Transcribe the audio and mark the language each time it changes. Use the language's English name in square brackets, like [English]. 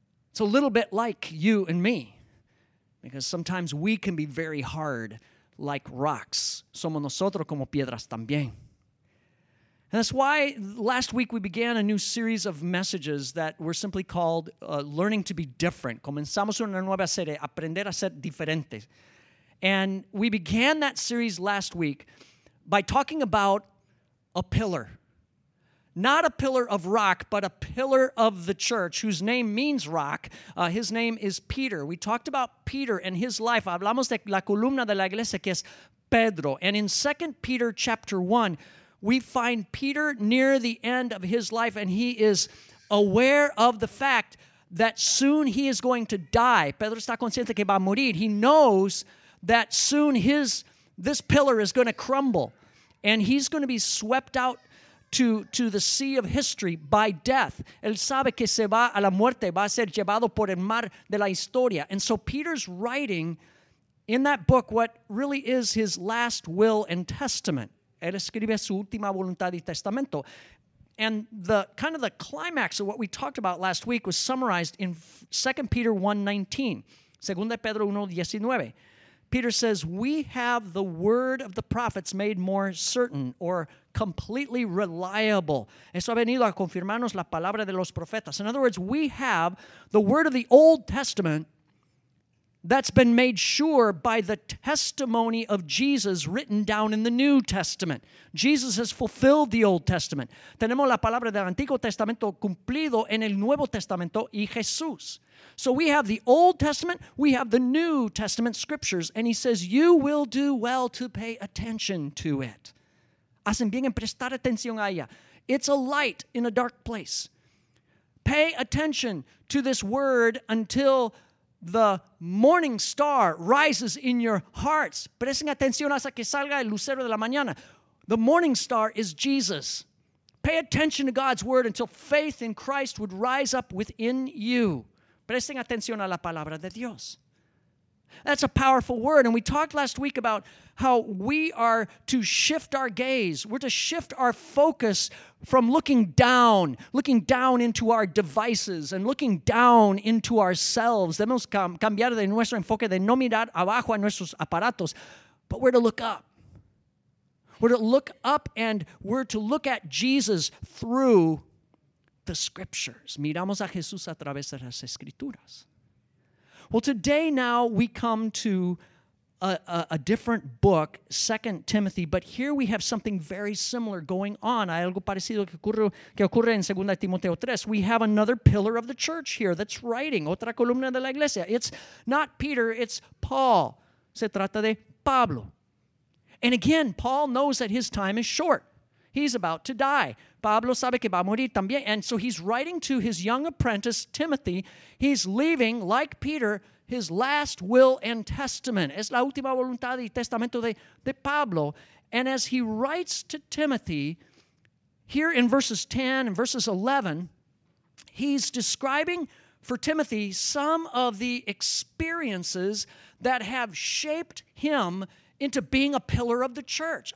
[English] It's a little bit like you and me, because sometimes we can be very hard like rocks. [Spanish] Somos nosotros como piedras también. [English] And that's why last week we began a new series of messages that were simply called Learning to be Different. [Spanish] Comenzamos una nueva serie, Aprender a ser diferente. [English] And we began that series last week by talking about a pillar. Not a pillar of rock, but a pillar of the church, whose name means rock. His name is Peter. We talked about Peter and his life. [Spanish] Hablamos de la columna de la iglesia, que es Pedro. [English] And in 2 Peter chapter 1, we find Peter near the end of his life, and he is aware of the fact that soon he is going to die. [Spanish] Pedro está consciente que va a morir. [English] He knows that soon this pillar is going to crumble, and he's going to be swept out to the sea of history by death. [Spanish] Él sabe que se va a la muerte, va a ser llevado por el mar de la historia. [English] And so Peter's writing in that book what really is his last will and testament. [Spanish] Él escribe su última voluntad y testamento. [English] And the kind of the climax of what we talked about last week was summarized in 2 Peter 1:19. [Spanish] Segunda Pedro 1:19. [English] Peter says, we have the word of the prophets made more certain or completely reliable. [Spanish] Eso ha venido a confirmarnos la palabra de los profetas. [English] In other words, we have the word of the Old Testament that's been made sure by the testimony of Jesus written down in the New Testament. Jesus has fulfilled the Old Testament. [Spanish] Tenemos la palabra del Antiguo Testamento cumplido en el Nuevo Testamento y Jesús. [English] So we have the Old Testament, we have the New Testament scriptures, and he says, you will do well to pay attention to it. [Spanish] Hacen bien en prestar atención a ella. [English] It's a light in a dark place. Pay attention to this word until the morning star rises in your hearts. [Spanish] Presten atención hasta que salga el lucero de la mañana. [English] The morning star is Jesus. Pay attention to God's word until faith in Christ would rise up within you. [Spanish] Presten atención a la palabra de Dios. [English] That's a powerful word. And we talked last week about how we are to shift our gaze. We're to shift our focus from looking down into our devices and looking down into ourselves. [Spanish] Debemos cambiar de nuestro enfoque de no mirar abajo a nuestros aparatos, [English] but we're to look up. We're to look up and we're to look at Jesus through the scriptures. [Spanish] Miramos a Jesús a través de las escrituras. [English] Well, today now we come to a different book, 2 Timothy, but here we have something very similar going on. [Spanish] Hay algo parecido que ocurre en 2 Timoteo 3. [English] We have another pillar of the church here that's writing, [Spanish] otra columna de la iglesia. [English] It's not Peter, it's Paul. [Spanish] Se trata de Pablo. [English] And again, Paul knows that his time is short. He's about to die. [Spanish] Pablo sabe que va a morir también. [English] And so he's writing to his young apprentice, Timothy. He's leaving, like Peter, his last will and testament. [Spanish] Es la última voluntad y testamento de Pablo. [English] And as he writes to Timothy, here in verses 10 and verses 11, he's describing for Timothy some of the experiences that have shaped him into being a pillar of the church.